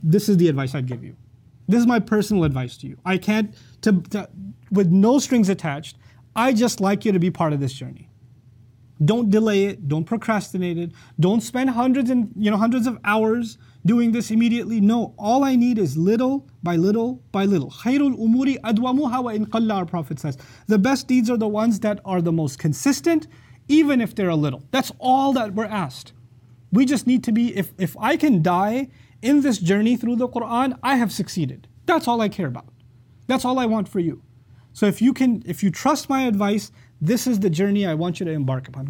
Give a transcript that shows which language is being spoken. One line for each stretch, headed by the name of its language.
English: This is the advice I'd give you. This is my personal advice to you. I can't, with no strings attached, I just like you to be part of this journey. Don't delay it. Don't procrastinate it. Don't spend hundreds of hours doing this immediately. No, all I need is little by little by little.
Arabic: خَيْرُ الْأُمُورِ أَدْوَمُهَا وَإِنْ قَلَّ,
English: our Prophet says. The best deeds are the ones that are the most consistent, even if they're a little. That's all that we're asked. We just need to be, if I can die in this journey through the Qur'an, I have succeeded. That's all I care about. That's all I want for you. So if you trust my advice, this is the journey I want you to embark upon.